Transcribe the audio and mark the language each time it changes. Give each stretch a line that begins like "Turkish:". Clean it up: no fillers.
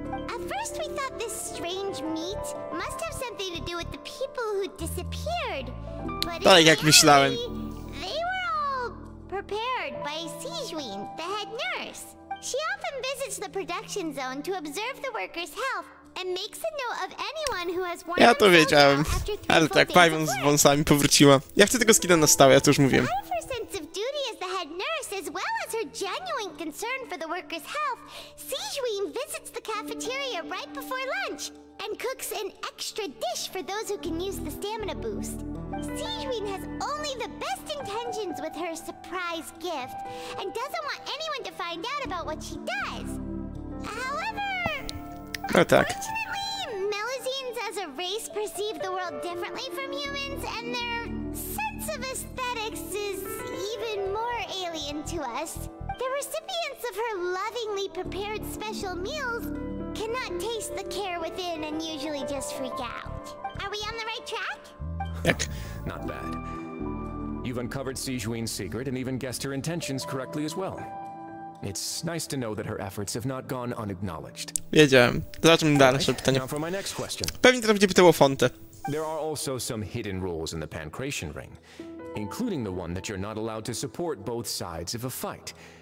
English: At first, we thought this strange meat must have something to do with the people who disappeared. But
Polish: tak, jak myślałem.
English: They were all prepared by Sijuin, the head nurse. She often visits the production zone to observe the workers' health and makes a note of anyone who has worn.
Polish: Ja to wiedziałem. Ale tak, Paimon z wąsami powróciła. Ja chcę tego skina na stałe, ja to już mówiłem.
English: Her sense of duty as the head nurse, as well as her genuine concern for the workers' health, Sijuin visits the cafeteria right before lunch and cooks an extra dish for those who can use the stamina boost. Sijuin has only the best intentions with her surprise gift and doesn't want anyone to find out about what she does. However, unfortunately, Melusines as a race perceive the world differently from humans, and their sense of aesthetics is even more alien to us. The recipients of her lovingly prepared special meals cannot taste the care within and usually just freak out. Are we on the right track? Heck. Not bad. You've uncovered Sijuin's secret and even guessed her intentions correctly as well. It's nice to know that her efforts have not gone unacknowledged.
Polish: Wiedziałem. Zobaczmy dalej nasze pytanie.
English: Now for my next question.
Polish: Pewnie teraz będzie pytał o fontę.
English: There are also some hidden rules in the Pancration Ring, including the one that you're not allowed to support both sides of a fight.